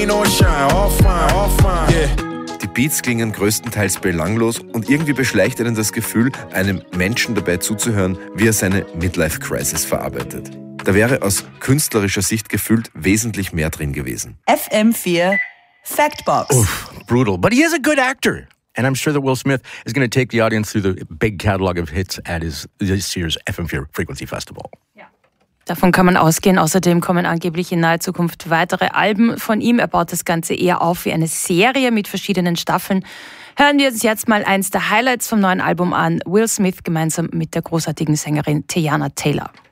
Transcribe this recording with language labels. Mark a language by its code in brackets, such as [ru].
[de] Die Beats klingen größtenteils belanglos und irgendwie beschleicht einen das Gefühl, einem Menschen dabei zuzuhören, wie er seine Midlife-Crisis verarbeitet. Da wäre aus künstlerischer Sicht gefühlt wesentlich mehr drin gewesen. FM4 Factbox. Uff, brutal. [en] But he is a good actor. And I'm sure that Will Smith is going to take the audience through the big catalog of hits at this year's FM4 Frequency Festival. [de] Davon kann man ausgehen. Außerdem kommen angeblich in naher Zukunft weitere Alben von ihm. Er baut das Ganze eher auf wie eine Serie mit verschiedenen Staffeln. Hören wir uns jetzt mal eins der Highlights vom neuen Album an. Will Smith gemeinsam mit der großartigen Sängerin Teyana Taylor.